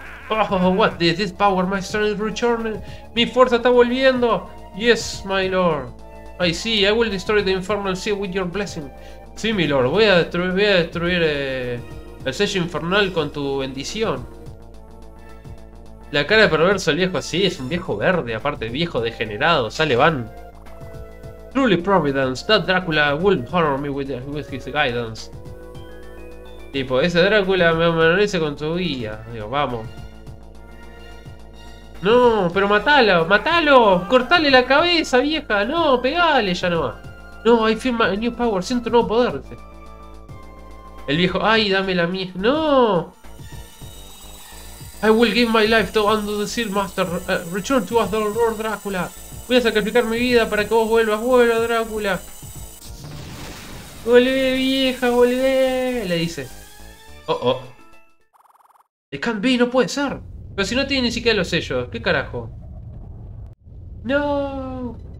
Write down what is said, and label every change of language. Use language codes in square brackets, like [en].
[en] Oh, what is this power, my strength is returning. [es] Mi fuerza está volviendo. [en] Yes, my lord. I see, I will destroy the infernal sea with your blessing. [es] Sí, mi lord, voy a destruir el sello infernal con tu bendición. La cara de perverso del viejo, sí, es un viejo verde, aparte viejo degenerado, sale van. [en] Truly providence, that Drácula will honor me with his guidance. [es] Tipo, ese Drácula me honorece con tu guía. Digo, vamos. No, pero matalo, cortale la cabeza, vieja, no, pegale ya no va. No, [en] I feel my new power, [es] siento un nuevo poder. El viejo, ay, dame la mía, no. [en] I will give my life to undo the seal master, return to us the Lord Drácula. [es] Voy a sacrificar mi vida para que vos vuelvas, vuelva Drácula. Volvé, vieja, volvé, le dice. Oh, oh. [en] It can't be, [es] no puede ser. Pero si no tiene ni siquiera los sellos, ¿qué carajo? No.